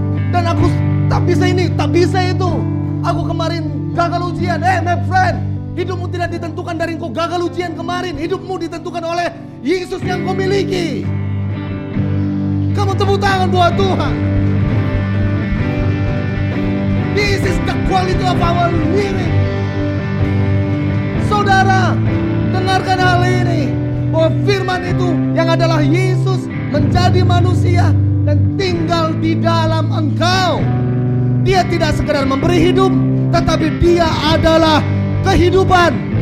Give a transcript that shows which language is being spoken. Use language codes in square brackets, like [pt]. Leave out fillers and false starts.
[id] Dan aku tak bisa ini, tak bisa itu. Aku kemarin gagal ujian. [en] Hey my friend, [id] hidupmu tidak ditentukan dari kau gagal ujian kemarin. Hidupmu ditentukan oleh Yesus yang kau miliki. Kamu tepuk tangan buat Tuhan. [en] This is the quality of our living. [id] Saudara, dengarkan hal ini, bahwa firman itu yang adalah Yesus menjadi manusia dan tinggal di dalam engkau. Dia tidak sekedar memberi hidup, tetapi dia adalah kehidupan.